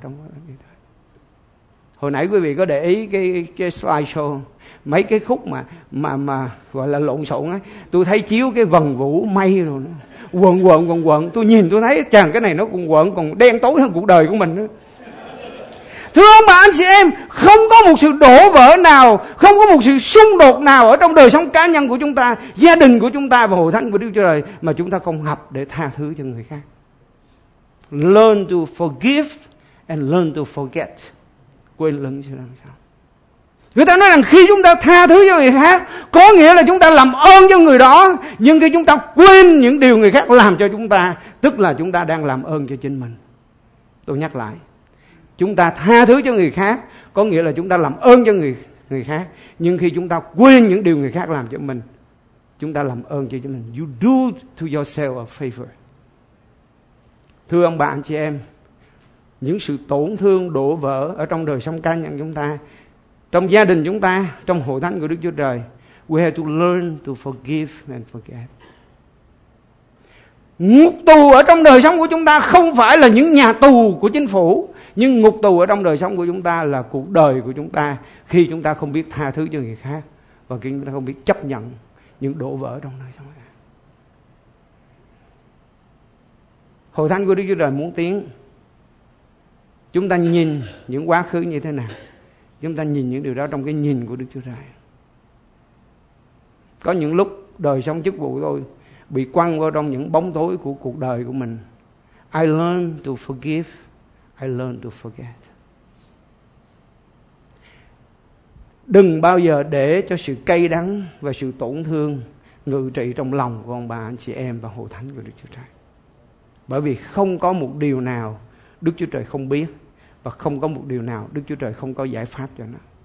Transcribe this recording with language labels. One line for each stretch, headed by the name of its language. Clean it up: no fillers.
Vietnamese: Trong hồi nãy quý vị có để ý cái slide show mấy cái khúc mà gọi là lộn xộn á, tôi thấy chiếu cái vần vũ mây rồi nó quần, tôi nhìn tôi thấy chàng cái này nó cũng quần còn đen tối hơn cuộc đời của mình nữa. Thưa ông bà anh chị em, không có một sự đổ vỡ nào, không có một sự xung đột nào ở trong đời sống cá nhân của chúng ta, gia đình của chúng ta và hội thánh của Đức Chúa Trời mà chúng ta không học để tha thứ cho người khác.
English: Learn to forgive and learn to forget.
Vietnamese: Quên lửng sẽ làm sao? Người ta nói rằng khi chúng ta tha thứ cho người khác có nghĩa là chúng ta làm ơn cho người đó, nhưng khi chúng ta quên những điều người khác làm cho chúng ta, tức là chúng ta đang làm ơn cho chính mình. Tôi nhắc lại, chúng ta tha thứ cho người khác có nghĩa là chúng ta làm ơn cho người khác, nhưng khi chúng ta quên những điều người khác làm cho mình, chúng ta làm ơn cho chính mình.
English: You do to yourself a favor.
Vietnamese: Thưa ông bà anh chị em, những sự tổn thương đổ vỡ ở trong đời sống cá nhân chúng ta, trong gia đình chúng ta, trong hội thánh của Đức Chúa Trời.
English: We have to learn to forgive and forget.
Vietnamese: Ngục tù ở trong đời sống của chúng ta không phải là những nhà tù của chính phủ, nhưng ngục tù ở trong đời sống của chúng ta là cuộc đời của chúng ta, khi chúng ta không biết tha thứ cho người khác và khi chúng ta không biết chấp nhận những đổ vỡ trong đời sống. Hội thánh của Đức Chúa Trời muốn tiến, chúng ta nhìn những quá khứ như thế nào, chúng ta nhìn những điều đó trong cái nhìn của Đức Chúa Trời. Có những lúc đời sống chức vụ tôi bị quăng vào trong những bóng tối của cuộc đời của mình.
English: I learn to forgive, I learn to forget.
Vietnamese: Đừng bao giờ để cho sự cay đắng và sự tổn thương ngự trị trong lòng của ông bà anh chị em và hội thánh của Đức Chúa Trời. Bởi vì không có một điều nào Đức Chúa Trời không biết, và không có một điều nào Đức Chúa Trời không có giải pháp cho nó.